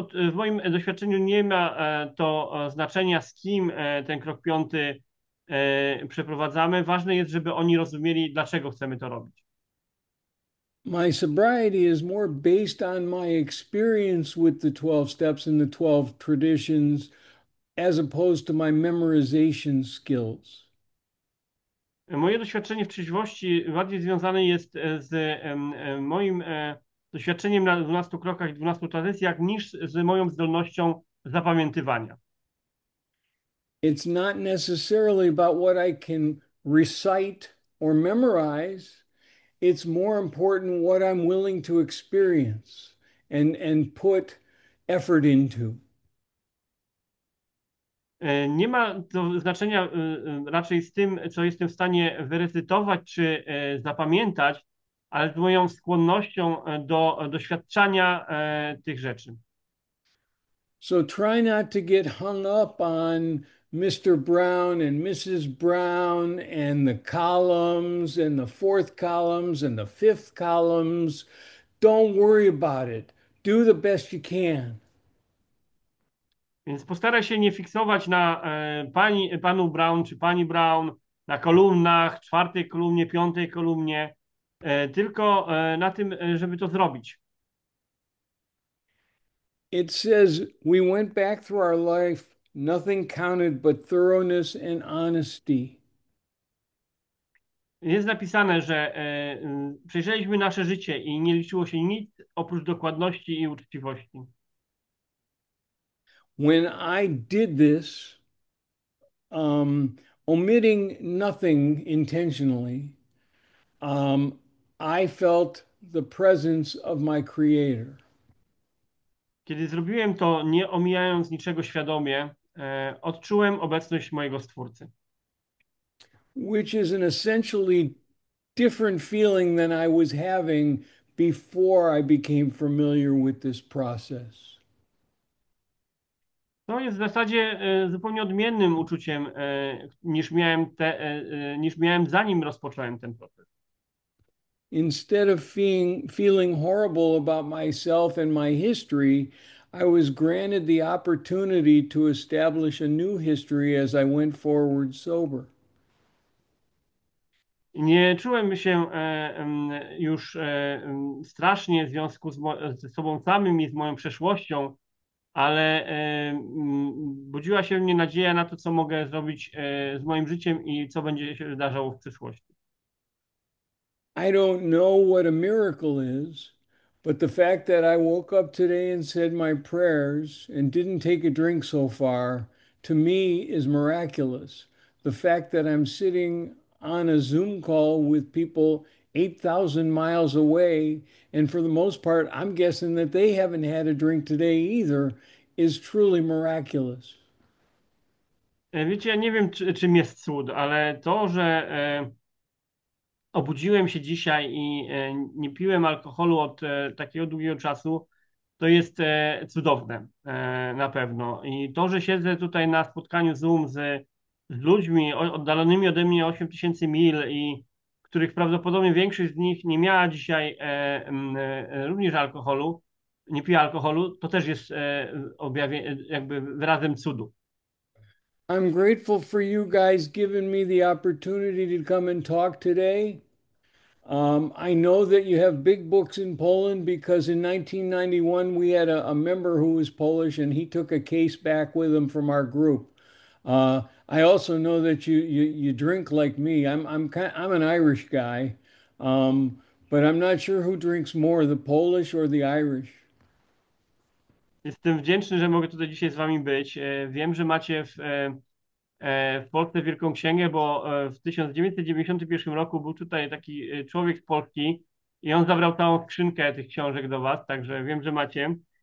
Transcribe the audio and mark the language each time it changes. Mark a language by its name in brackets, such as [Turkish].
[Polish] W moim doświadczeniu nie ma to znaczenia, z kim ten krok piąty przeprowadzamy. Ważne jest, żeby oni rozumieli, dlaczego chcemy to robić. [English] My sobriety is more based on my experience with the 12 steps and the 12 traditions as opposed to my memorization skills. [Polish] Moje doświadczenie w trzeźwości bardziej związane jest z moim doświadczeniem na 12 krokach i 12 tradycjach niż z moją zdolnością zapamiętywania. [English] It's not necessarily about what I can recite or memorize. It's more important what I'm willing to experience and put effort into. [Polish] Nie ma to znaczenia raczej z tym, co jestem w stanie wyrecytować czy zapamiętać, ale z moją skłonnością do doświadczania tych rzeczy. [English] So try not to get hung up on Mr. Brown and Mrs. Brown and the columns and the fourth columns and the fifth columns. Don't worry about it. Do the best you can. [Polish] Więc postaraj się nie fiksować na panu Brown czy pani Brown, na kolumnach, czwartej kolumnie, piątej kolumnie, tylko na tym, żeby to zrobić. [English] It says we went back through our life. Nothing counted but thoroughness and honesty. [Polish] Jest napisane, że przejrzeliśmy nasze życie i nie liczyło się nic oprócz dokładności i uczciwości. [English] When I did this, omitting nothing intentionally, I felt the presence of my creator. [Polish] Kiedy zrobiłem to, nie omijając niczego świadomie, odczułem obecność mojego Stwórcy. [English] Which is an essentially different feeling than I was having before I became familiar with this process. [Polish] To jest w zasadzie zupełnie odmiennym uczuciem, niż miałem zanim rozpocząłem ten proces. [English] Instead of feeling horrible about myself and my history, I was granted the opportunity to establish a new history as I went forward sober. [Polish] Nie czułem się już strasznie w związku ze sobą samym i z moją przeszłością, ale budziła się w mnie nadzieja na to, co mogę zrobić z moim życiem i co będzie się wydarzało w przyszłości. [English] I don't know what a miracle is, but the fact that I woke up today and said my prayers and didn't take a drink so far, to me is miraculous. The fact that I'm sitting on a Zoom call with people 8,000 miles away, and for the most part, I'm guessing that they haven't had a drink today either, is truly miraculous. [Polish] Wiecie, ja nie wiem, czym jest cud, ale to, że obudziłem się dzisiaj i nie piłem alkoholu od takiego długiego czasu, to jest cudowne na pewno. I to, że siedzę tutaj na spotkaniu Zoom z ludźmi oddalonymi ode mnie 8000 mil i których prawdopodobnie większość z nich nie miała dzisiaj również alkoholu, nie pije alkoholu, to też jest jakby wyrazem cudu. [English] I'm grateful for you guys giving me the opportunity to come and talk today. I know that you have big books in Poland because in 1991 we had a member who was Polish and he took a case back with him from our group. I also know that you drink like me. I'm an Irish guy, but I'm not sure who drinks more, the Polish or the Irish. [Polish] Jestem wdzięczny, że mogę tutaj dzisiaj z wami być. Wiem, że macie w Polsce wielką księgę, bo w 1991 roku był tutaj taki człowiek z Polski i on zabrał całą skrzynkę tych książek do was, także wiem, że macie.